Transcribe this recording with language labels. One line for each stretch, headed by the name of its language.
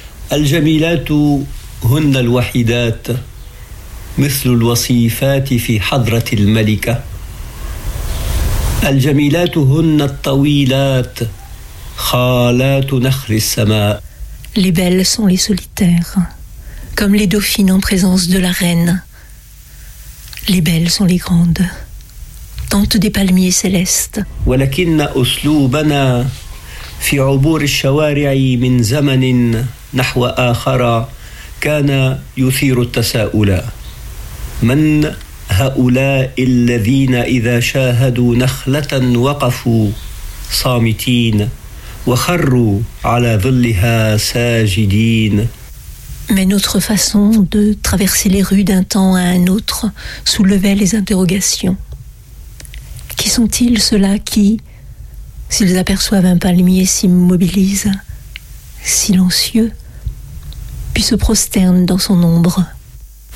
Arabic: Al-Jamilat ou Hunna al-Wahidat, مثل الوصيفات في حضرة الملكة الجميلات هن الطويلات خالات نخر السماء
French: Les belles sont les solitaires comme les dauphines en présence de la reine Les belles sont les grandes tantes des palmiers célestes
Arabic: ولكن أسلوبنا في عبور الشوارع من زمن نحو آخر كان يثير التساؤل من هؤلاء الذين إذا شاهدوا نخلة وقفوا صامتين وخروا على ظلها ساجدين
French: Mais notre façon de traverser les rues d'un temps à un autre soulevait les interrogations. Qui sont-ils ceux-là qui, s'ils aperçoivent un palmier, s'immobilisent, silencieux, puis se prosternent dans son ombre ?